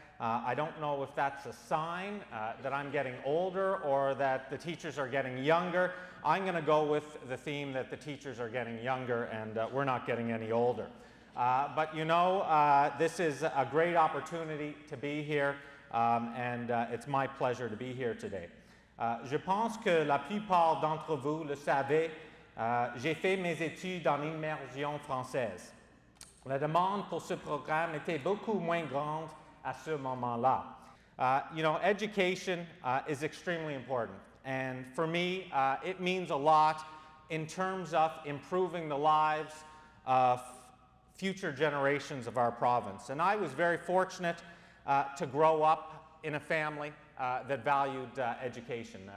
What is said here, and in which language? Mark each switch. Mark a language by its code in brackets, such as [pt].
[en] I don't know if that's a sign that I'm getting older or that the teachers are getting younger. I'm going to go with the theme that the teachers are getting younger and we're not getting any older. But you know, this is a great opportunity to be here, and it's my pleasure to be here today. [fr] Je pense que la plupart d'entre vous le savez, j'ai fait mes études en immersion française. La demande pour ce programme était beaucoup moins grande à ce moment-là. [en] You know, education is extremely important. And for me, it means a lot in terms of improving the lives of future generations of our province. And I was very fortunate to grow up in a family that valued education.